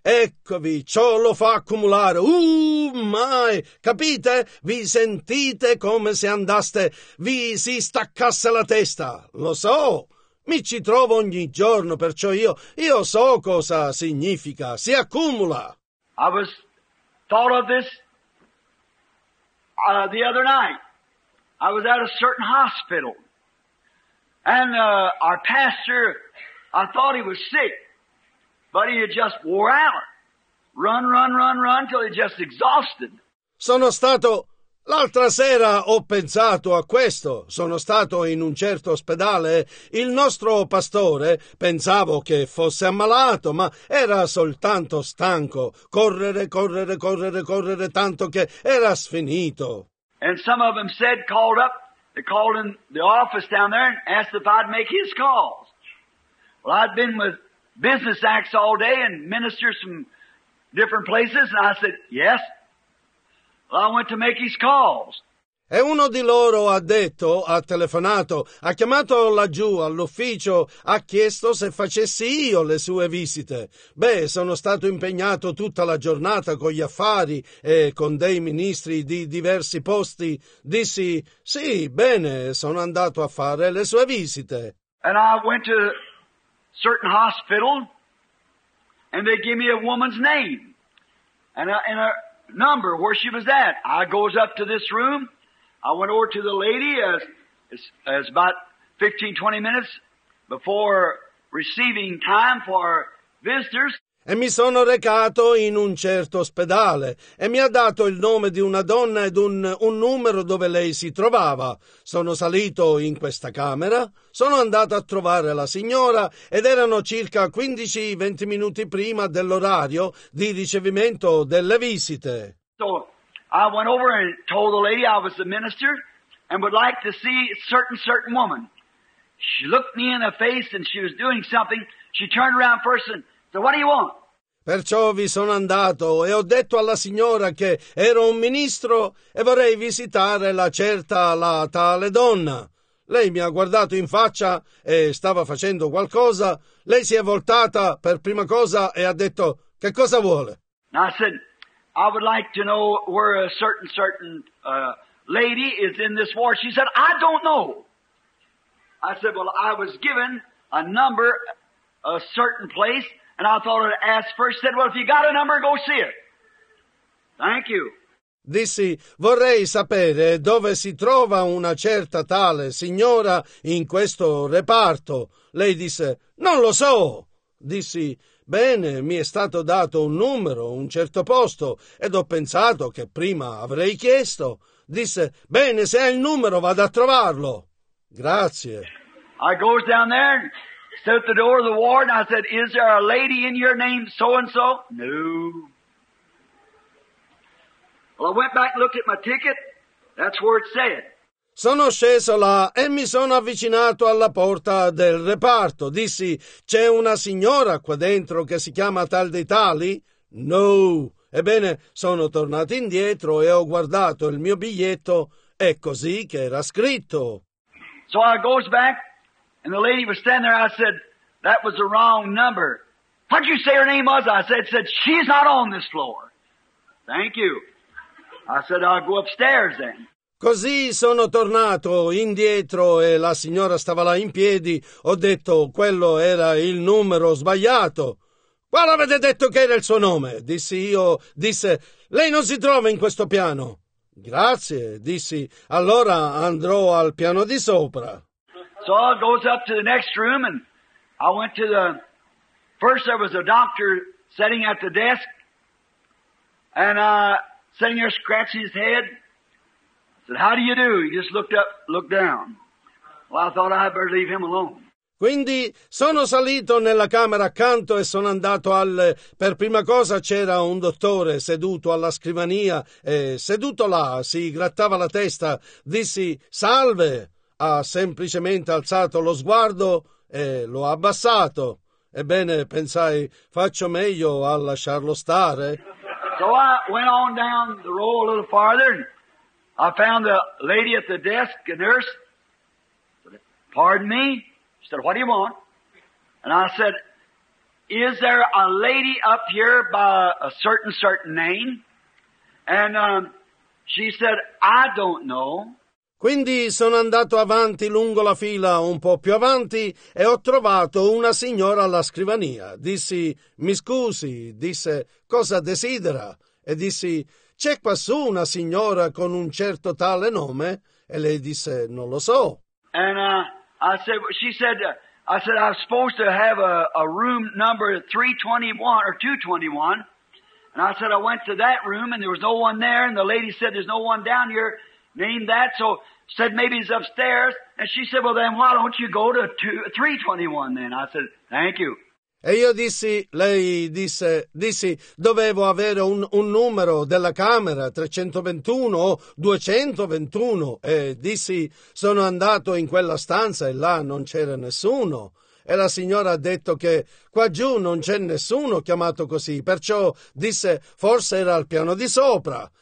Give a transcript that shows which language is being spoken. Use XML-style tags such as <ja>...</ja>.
<it>Eccovi, ciò lo fa accumulare. Mai! Capite? Vi sentite come se andaste, vi si staccasse la testa. Lo so! Mi ci trovo ogni giorno, perciò io so cosa significa. Si accumula.</it> <en>I was thought of this the other night. I was at a certain hospital. And our pastor, I thought he was sick. But he had just wore out. Run till he just exhausted.</en> <it>Sono stato l'altra sera, ho pensato a questo. Sono stato in un certo ospedale. Il nostro pastore, pensavo che fosse ammalato, ma era soltanto stanco. Correre tanto che era sfinito.</it> <en>And some of them said, called up, they called in the office down there and asked if I'd make his calls. Well, I'd been with business acts all day and ministers from different places, and I said, yes. I went to make his calls.</en> <it>E uno di loro ha telefonato, ha chiamato laggiù all'ufficio, ha chiesto se facessi io le sue visite. Beh, sono stato impegnato tutta la giornata con gli affari e con dei ministri di diversi posti. Dissi, sì, bene, sono andato a fare le sue visite.</it> <en>And I went to a certain hospital and they gave me a woman's name. And a number where she was at. I goes up to this room. I went over to the lady as about 15-20 minutes before receiving time for our visitors.</en> <it>E mi sono recato in un certo ospedale e mi ha dato il nome di una donna ed un numero dove lei si trovava. Sono salito in questa camera, sono andato a trovare la signora ed erano circa 15-20 minuti prima dell'orario di ricevimento delle visite.</it> <en>So I went over and told the lady I was the minister and would like to see certain woman. She looked me in the face and she was doing something. She turned around first and so what do you want?</en> <it>Perciò vi sono andato e ho detto alla signora che ero un ministro e vorrei visitare la tale donna. Lei mi ha guardato in faccia e stava facendo qualcosa. Lei si è voltata per prima cosa e ha detto, che cosa vuole?</it> <en>I said, I would like to know where a certain lady is in this war. She said, I don't know. I said, well, I was given a number, a certain place. And I thought I'd ask first, said, well, if you got a number, go see it. Thank you.</en> <it>Dissi, vorrei sapere dove si trova una certa tale signora in questo reparto. Lei disse, non lo so. Dissi, bene, mi è stato dato un numero, un certo posto, ed ho pensato che prima avrei chiesto. Disse, bene, se hai il numero, vado a trovarlo. Grazie.</it> <en>I goes down there. Set the door of the ward, and I said, is there a lady in your name, so-and-so? No. Well, I went back and looked at my ticket. That's where it said.</en> <it>Sono sceso là e mi sono avvicinato alla porta del reparto. Dissi, c'è una signora qua dentro che si chiama tal dei tali? No. Ebbene, sono tornato indietro e ho guardato il mio biglietto. È così che era scritto.</it> <en>So I goes back. And the lady was standing there. I said, that was the wrong number. What'd you say her name was? I said, she's not on this floor. Thank you. I said, I'll go upstairs then.</en> <it>Così sono tornato indietro e la signora stava là in piedi. Ho detto, quello era il numero sbagliato. Qual avete detto che era il suo nome? Dissi io. Disse, lei non si trova in questo piano. Grazie, dissi. Allora andrò al piano di sopra.</it> <en>So I goes up to the next room and I went to the, first there was a doctor sitting at the desk and sitting there scratching his head. I said, how do you do? He just looked up, looked down. Well, I thought I'd better leave him alone.</en> <it>Quindi sono salito nella camera accanto e sono andato al, per prima cosa c'era un dottore seduto alla scrivania e seduto là, si grattava la testa, dissi, salve. Ha semplicemente alzato lo sguardo e lo ha abbassato. Ebbene, pensai, faccio meglio a lasciarlo stare.</it> <en>So I went on down the row a little farther and I found a lady at the desk, a nurse. Pardon me? She said, what do you want? And I said, is there a lady up here by a certain name? And she said, I don't know.</en> <it>Quindi sono andato avanti lungo la fila un po' più avanti e ho trovato una signora alla scrivania. Dissi, mi scusi, disse, cosa desidera? E dissi, c'è quassù una signora con un certo tale nome? E lei disse, non lo so.</it> <en>And I said, I'm supposed to have a room number 321 or 221. And I said, I went to that room and there was no one there. And the lady said, there's no one down here named that. So said, maybe he's upstairs. And she said, well, then why don't you go to 321 then? I said, thank you.</en> <it>E io dissi, lei disse, dissi, dovevo avere un numero della camera, 321 o 221, e dissi, sono andato in quella stanza e là non c'era nessuno. E la signora ha detto che qua giù non c'è nessuno chiamato così, perciò disse, forse era al piano di sopra.</it>